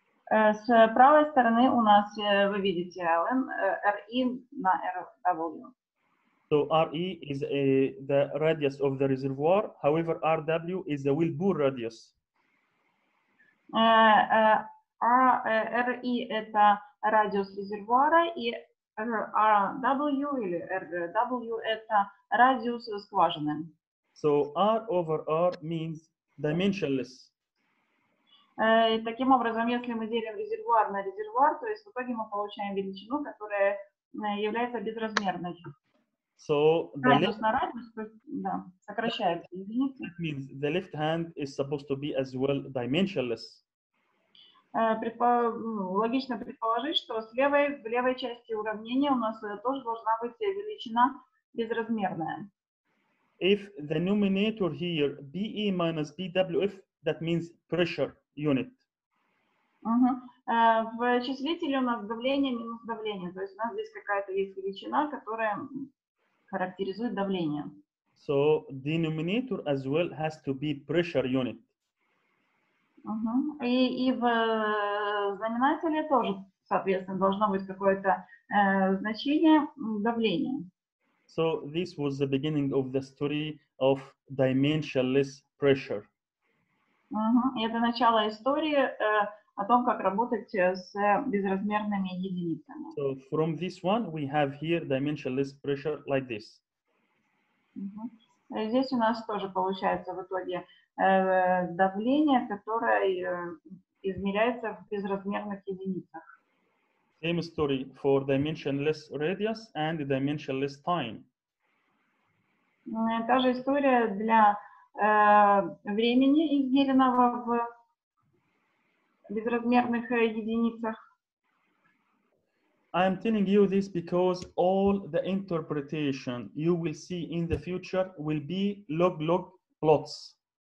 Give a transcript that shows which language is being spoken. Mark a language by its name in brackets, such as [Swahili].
[Russian] С правой стороны у нас, вы видите, ln RE на RW. [English] So RE is the radius of the reservoir, however RW is the wellbore radius. [Russian] RE это радиус резервуара, и RW или RW это радиус скважины. [English] So R over R means dimensionless. [Russian] И таким образом, если мы делим резервуар на резервуар, то есть в итоге мы получаем величину, которая является безразмерной. [English] So [Russian] the радиус на радиус, да, сокращается единицы. [English] That means the left hand is supposed to be as well dimensionless. [Russian] Логично предположить, что в левой части уравнения у нас тоже должна быть величина безразмерная. [English] If the numerator here BE minus BWF, that means pressure. Unit. [Russian] В числителе у нас давление минус давление, то есть у нас здесь какая-то есть величина, которая характеризует давление. [English] So denominator as well has to be pressure unit. [Russian] И в знаменателе тоже соответственно, должно быть какое-то значение давления. [English] So this was the beginning of the story of dimensionless pressure. [Russian] Это начало истории о том, как работать с безразмерными единицами. [English] So from this one we have here dimensionless pressure like this. [Russian] Здесь у нас тоже получается в итоге давление, которое измеряется в безразмерных единицах. [English] Same story for dimensionless radius and dimensionless time. [Russian] Та же история для времени, измеренного в безразмерных единицах. [English] I am telling you this because all the interpretation you will see in the future will be log-log plots.